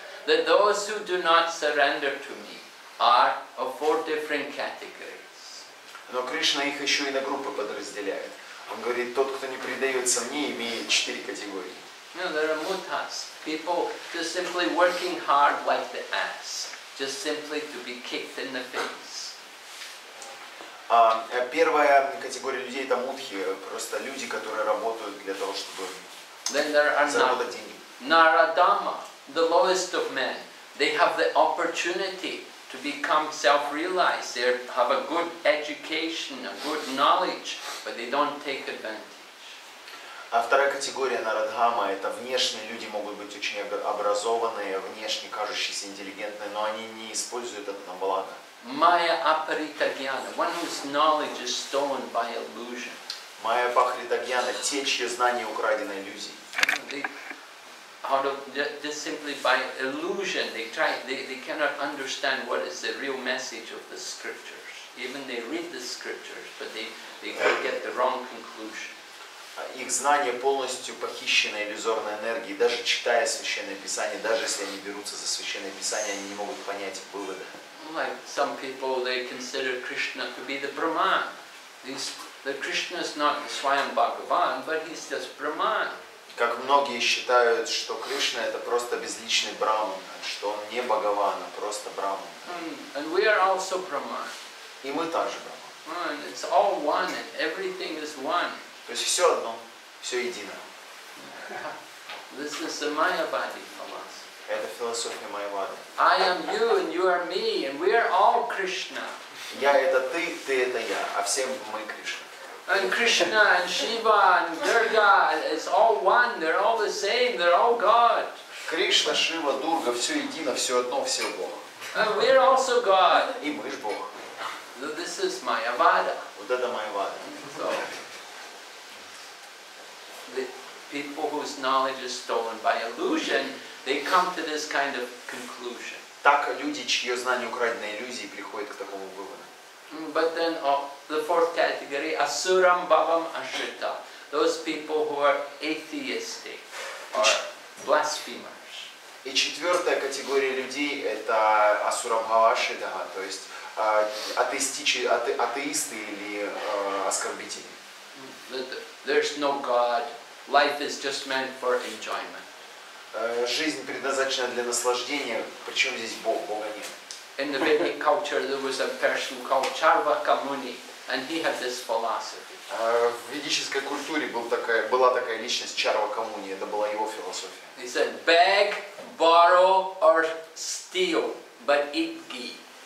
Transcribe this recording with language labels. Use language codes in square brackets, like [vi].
[en] That those who do not surrender to me are of four different categories. [ru] Но Кришна их еще и на группы подразделяет. Он говорит, тот, кто не предается мне, имеет четыре категории. [en] No, there are mudhas. People just simply working hard like the ass. Just simply to be kicked in the face. [ru] Первая категория людей это мудхи. Просто люди, которые работают для того, чтобы заработать деньги. [en] Нарадама, the lowest of men. They have the opportunity to become self-realized. They have a good education, a good knowledge, but they don't take advantage. [ru] А вторая категория Нарадхама – это внешние люди могут быть очень образованные, внешне кажущиеся интеллигентные, но они не используют это на благо. [en] Maya Aparita Gyana – one whose knowledge is stolen by illusion. [ru] Maya Aparita Gyana – те, чьи знания украдены иллюзией. [en] They out of just simply by illusion, they cannot understand what is the real message of the scriptures. Even they read the scriptures, but they get the wrong conclusion. [ru] Их знания полностью похищены иллюзорной энергией. Даже читая Священное Писание, даже если они берутся за Священное Писание, они не могут понять выводы. [en] Like some people, they consider Krishna to be the Brahman. That Krishna is not Swayam Bhagavan, but he's just Brahman. [ru] Как многие считают, что Кришна это просто безличный Брахман, что он не Бхагаван, а просто Брахман. [en] And we are also Brahman. [ru] И мы также Брахман. [en] And it's all one, and everything is one. [ru] То есть все одно, все едино. [en] This is the Mayavadi philosophy. [ru] Это философия Майявады. [en] I am you and you are me and we are all Krishna. [ru] Я это ты, ты это я, а все мы Кришна. [en] And Krishna and Shiva and Durga, it's all one. They're all the same. They're all God. [ru] Кришна, Шива, Дурга, все едино, все одно, все Бог. [en] And we're also God. [ru] И мы ж Бог. [en] So this is Mayavada. [ru] Вот это Mayavada. [en] So, the people whose knowledge is stolen by illusion, they come to this kind of conclusion. [ru] Так люди, чье знание украдено иллюзией, приходят к такому выводу. [en] But then the fourth category, asuram bhavam ashrita, those people who are atheistic, are blasphemers. [ru] И четвертая категория людей это асурам бхавашрита, то есть атеисты или оскорбители. [en] There's no God. Life is just meant for enjoyment. [ru] Жизнь предназначена для наслаждения. Причем здесь Бог? Бога нет. [en] In the Vedic culture, there was a person called Charvaka Muni, and he had this philosophy. [ru] В ведической культуре была такая личность Чарвака Муни, это была его философия. [en] He said, "Beg, borrow, or steal, but eat ghee."